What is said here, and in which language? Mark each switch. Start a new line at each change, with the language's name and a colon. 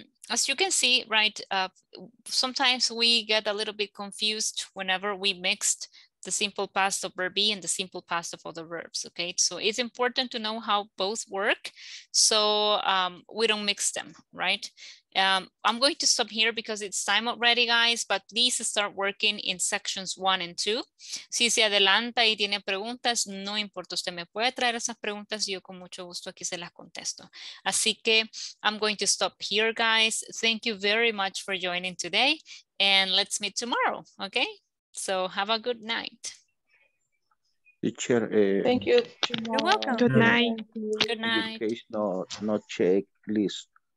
English: As you can see, right, sometimes we get a little bit confused whenever we mixed the simple past of verb be and the simple past of other verbs, okay? So it's important to know how both work so we don't mix them, right? I'm going to stop here because it's time already, guys, but please start working in sections 1 and 2.
Spanish: Si se adelanta y tiene preguntas, no importa, usted me puede traer esas preguntas y yo con mucho gusto aquí se las contesto. Así que
English: I'm going to stop here, guys. Thank you very much for joining today and let's meet tomorrow, okay? So have a good night. Teacher, thank you. You're welcome. Good night. Good night. No checklist.